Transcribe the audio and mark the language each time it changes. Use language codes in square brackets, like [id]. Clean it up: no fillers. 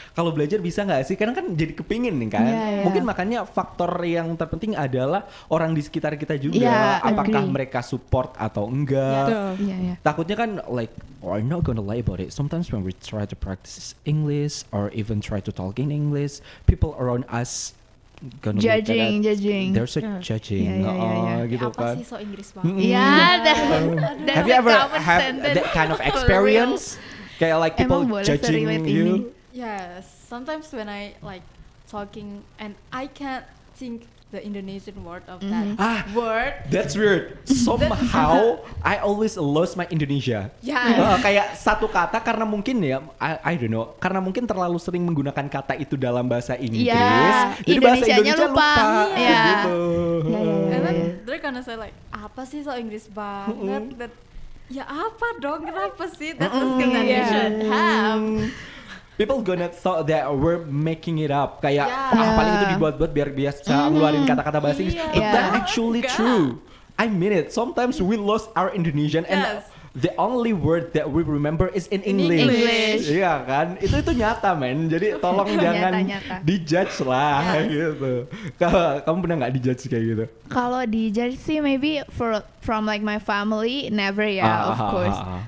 [id] Kalau belajar bisa enggak sih? Kadang kan jadi kepingin kan. Mungkin makanya faktor yang terpenting adalah orang di sekitar kita juga apakah mereka support atau enggak. Takutnya kan [en] like I'm not going to lie about it. Sometimes when we try to practice English or even try to talk in English, people around us gonna judging. There's a judging. [id] Gitu apa kan. Sih so Inggris banget? [en] Have you ever had that kind of experience? [id] Kayak [en] like people judging you? Yes, sometimes when I like talking and I can't think the Indonesian word of that word. That's weird. Somehow I always lose my Indonesia. [id] Kayak satu kata karena mungkin ya [en] I don't know, [id] karena mungkin terlalu sering menggunakan kata itu dalam bahasa Inggris. Jadi Indonesianya bahasa Indonesia lupa. [en] And then they're gonna say like [id] apa sih so Inggris banget? [en] That [id] ya apa dong? Kenapa sih? [en] That's the thing that you should have. People gonna thought that we're making it up. [id] Kayak paling itu dibuat-buat biar biasa ngeluarin kata-kata bahasa Inggris. [en] But that's actually true. I mean it. Sometimes we lost our Indonesian and the only word that we remember is in English. [id] Iya kan? Itu nyata, men. Jadi tolong jangan di-judge lah gitu. Kamu pernah enggak di-judge kayak gitu? Kalau di-judge sih [en] maybe from like my family never of course.